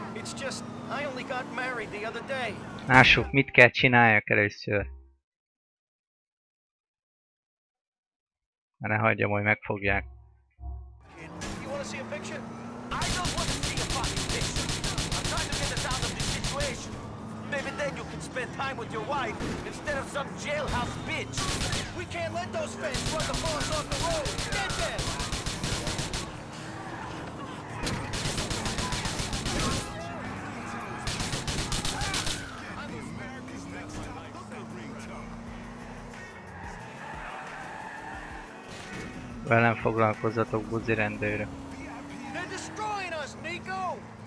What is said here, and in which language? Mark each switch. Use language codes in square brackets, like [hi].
[en] It's just I only got married the other day. [hu] Lássuk, mit kell csináljak először. Ne hagyjam, hogy megfogják. [en] You wanna see a picture? I don't wanna see a fucking picture. I'm trying to get us out of this situation. Maybe then you can spend time with your wife instead of some jailhouse bitch. We can't let those fans run the boss off the road. Get them! [hu] Velem foglalkozzatok, buzi rendőre. [en] They're destroying us, Nico!